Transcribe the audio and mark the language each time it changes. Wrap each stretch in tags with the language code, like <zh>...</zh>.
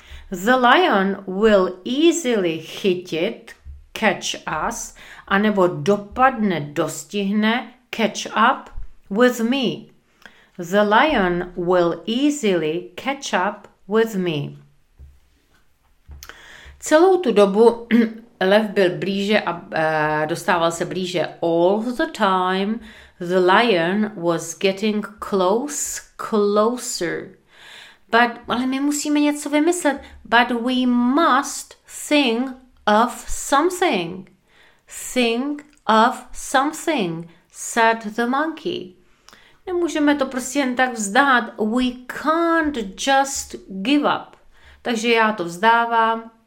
<en>The lion will easily</en> <cs>chytit,</cs> <en>catch us,</en> <cs>anebo dopadne, dostihne,</cs> <en>catch up with me. The lion will easily catch up with me.</en> <cs>Celou tu dobu lev byl blíže a dostával se blíže.</cs> <en>All the time the lion was getting closer.</en> <cs>Ale my musíme něco vymyslet.</cs> <en>But we must think of something. Think of something, said the monkey.</en> <cs>Nemůžeme to prostě jen tak vzdát.</cs> <en>We can't just give up.</en> <cs>Takže já to vzdávám.</cs>